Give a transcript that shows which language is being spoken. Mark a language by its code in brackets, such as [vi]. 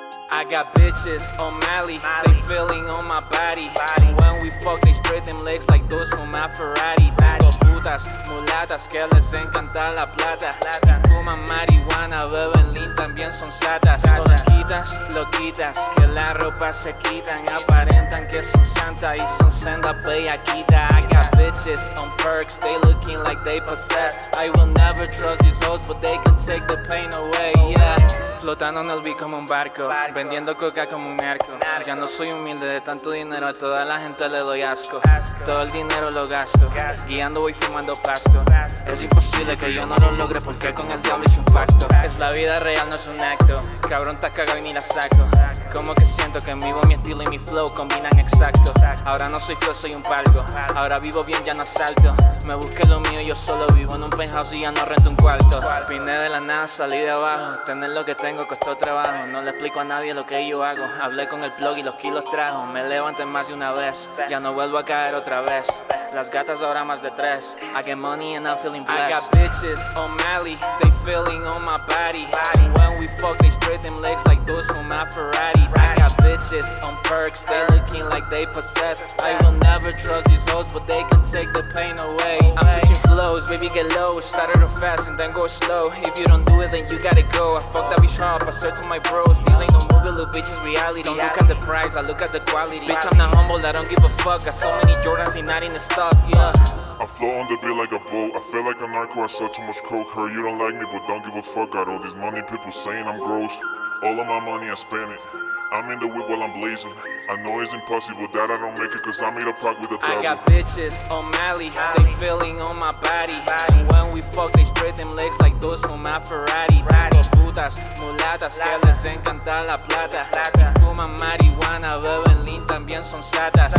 [en] I got bitches on Mally, they feeling on my body. And when we fuck, they spread them legs like those from my Ferrari. [es] Tengo putas, mulatas, que les encanta la plata. Fuman marihuana, beben lean, también son satas. Tonquitas, loquitas, que la ropa se quitan. Aparentan que son santa y son senda bellaquita. I got bitches on perks, they looking like they possessed. I will never trust these hoes, but they can take the pain away, yeah. Flotando en el beat como un barco, vendiendo coca como un narco. Ya no soy humilde de tanto dinero, a toda la gente le doy asco. Todo el dinero lo gasto. Guiando voy fumando pasto. Es imposible que yo no lo logre porque con el diablo hice un pacto. Es la vida real, no es un acto, cabrón, te has cagado y ni la saco. Como que siento que en vivo mi estilo y mi flow combinan exacto. Ahora no soy feo, soy un palco, ahora vivo bien, ya no asalto. Me busqué lo mío y yo solo vivo en un penthouse y ya no rento un cuarto. Vine de la nada, salí de abajo, tener lo que tengo costó trabajo, no le explico a nadie lo que yo hago. Hablé con el plug y los kilos trajo. Me levanté más de una vez, ya no vuelvo a caer otra vez. Las gatas ahora más de tres. [en] I get money and I'm feeling blessed. I got bitches on Mally, they feeling on my body. And when we fuck, they spread them legs like those from my Ferrari. I got bitches on perks, they looking like they possess. I will never trust these hoes, but they can take the pain away. I'm switching flows, baby get low. Started off fast and then go slow. If you don't do it, then you gotta go. I fucked up. I said to my bros, these ain't no movie, little bitches reality. Don't look at the price, I look at the quality. Bitch, I'm not humble, I don't give a fuck. Got so many Jordans, ain't not in the stock, yeah. I float on the beat like a boat. I feel like a narco, I sell too much coke. Heard you don't like me, but don't give a fuck. Got all this money, people saying I'm gross. All of my money, I spend it. I'm in the whip while I'm blazing. I know it's impossible that I don't make it, cause I made a pack with a devil. I got bitches on Mally, they feeling on my body. And when we fuck, they spread them legs like those from my Ferrari. [es] Tengo putas, mulatas, que les encanta la plata. Fuman marihuana, beben lean, también son satas.